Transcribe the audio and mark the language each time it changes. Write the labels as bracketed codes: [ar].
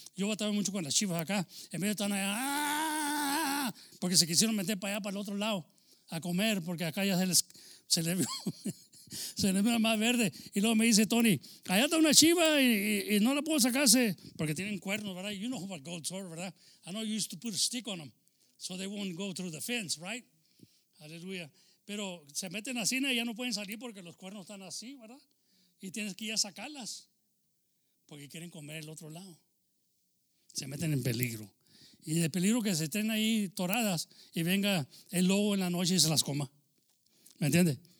[es] Yo batallo mucho con las chivas acá, en medio están allá, porque se quisieron meter para allá, para el otro lado, a comer, porque acá ya se les vio más verde. Y luego me dice Tony, allá está una chiva y no la puedo sacarse, porque tienen cuernos, ¿verdad? [en] You know about goats, ¿verdad? I know you used to put a stick on them, so they won't go through the fence, right? [es] Aleluya. Pero se meten así y ya no pueden salir porque los cuernos están así, ¿verdad? Y tienes que ir a sacarlas porque quieren comer el otro lado. Se meten en peligro. Y de peligro que se estén ahí toradas y venga el lobo en la noche y se las coma. ¿Me entiendes?